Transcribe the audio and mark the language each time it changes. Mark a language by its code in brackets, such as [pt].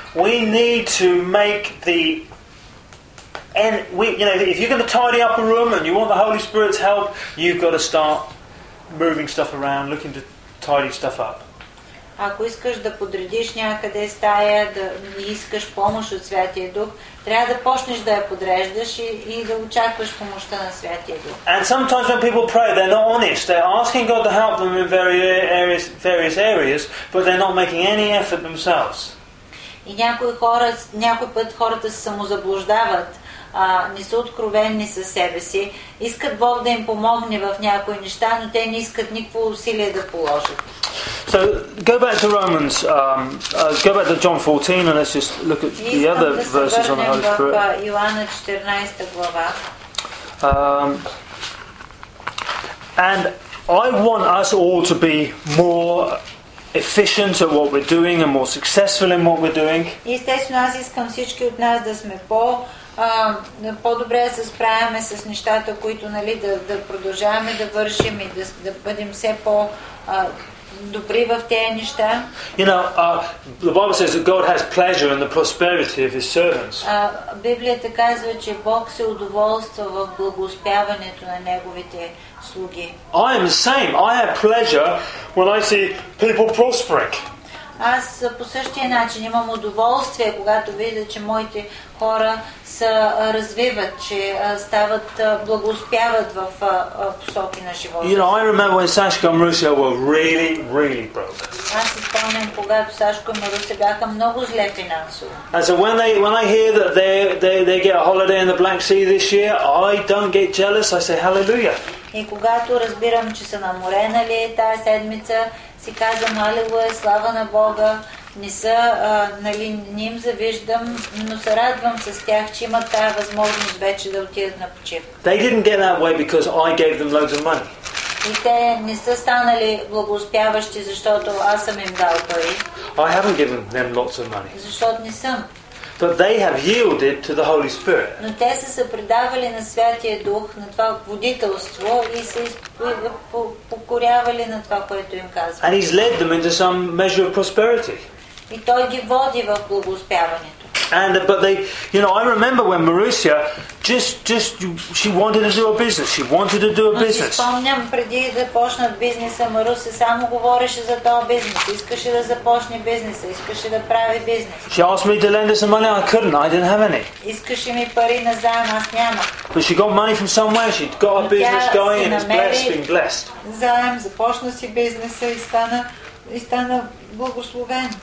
[en] We need to make the and we, you know, if you're going to tidy up a room and you want the Holy Spirit's help, you've got to start moving stuff around, looking to tidy stuff up. [bg] Ако искаш да подредиш някъде стая, да не искаш помощ от Святия Дух, трябва да почнеш да я подреждаш и да очакваш помощта на Святия Дух. [en] And sometimes when people pray, they're not honest. They're asking God to help them in various areas, but they're not making any effort themselves. [bg] И някой път хората се самозаблуждават. Не са откровенни със себе си, искат Бог да им помогне в някои неща, но те не искат никакво усилие да положат. [en] So, go back to Romans, go back to John 14 and let's just look at the other verses on the Holy Spirit. [bg] Искам да се върнем в Йоанна 14 глава. [en] And I want us all to be more efficient at what we're doing and more successful in what we're doing. [bg] Естествено, аз искам всички от нас да сме по- по-добре да се справяме с нещата, които, нали, да продължаваме да вършим и да бъдем все по-добри в тези неща. [en] You know, the Bible says that God has pleasure in the prosperity of his servants. [bg] Библията казва, че Бог се удоволства в благоуспяването на неговите слуги. [en] I am the same. I have pleasure when I see people prospering. [bg] Аз по същия начин имам удоволствие, когато видя, че моите хора се развиват, че стават благоуспяват в посоки на живота. [en] You know, I remember when Sashka and Marusia were really, really broke. [bg] Аз си спомням, когато Сашко и Маруся бяха много зле финансово. [en] And so when I hear that they get a holiday in the Black Sea this year, I don't get jealous. I say hallelujah. [bg] И когато разбирам, че са на море, нали, тази седмица, си казвам алелуя, слава на Бога, не са, нали, не им завиждам, но се радвам с тях, че имат тази възможност вече да отидат на почивка. [en] They didn't get that way because I gave them loads of money. [bg] И те не са станали благоуспяващи, защото аз съм им дал пари. [en] I haven't given them lots of money. [bg] Защото не съм. [en] But they have yielded to the Holy Spirit. [bg] Но те са се предавали на Святия Дух, на това водителство и се покорявали на това, което им казва. [en] And he's led them into some measure of prosperity. [bg] И той ги води в благоуспяването. [en] And but they, you know, I remember when Marusia just she wanted to do a business. She wanted to do a business. [bg] Но си спомням, преди да почна бизнеса, Маруся само говореше за този бизнес. Искаше да започне бизнеса, искаше да прави бизнес. [en] She asked me to lend her some money. I couldn't. I didn't have any. [bg] Искаше ми пари назаем, аз няма. [en] But she got money from somewhere. She got a business going and is blessed, being blessed. [bg] Заем, започна си бизнеса и стана благословен.